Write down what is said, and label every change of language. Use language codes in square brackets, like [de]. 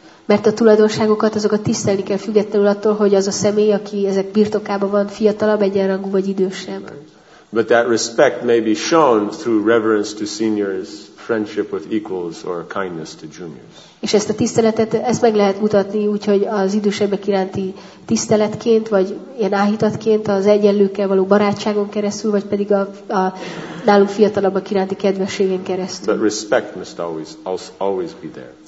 [hu] Mert a tulajdonságokat azokat tisztelni kell függetlenül attól, hogy az a személy, aki ezek birtokában van, fiatalabb, egyenrangú vagy idősebb. [en] But that respect may be shown through reverence to seniors, friendship with equals or kindness to juniors. [hu] És ezt a tiszteletet, ezt meg lehet mutatni, úgyhogy az idősebbek iránti tiszteletként, vagy ilyen áhítatként, az egyenlőkkel való barátságon keresztül, vagy pedig a nálunk fiatalabbak iránti kedvességén keresztül. [en] But respect must always be there.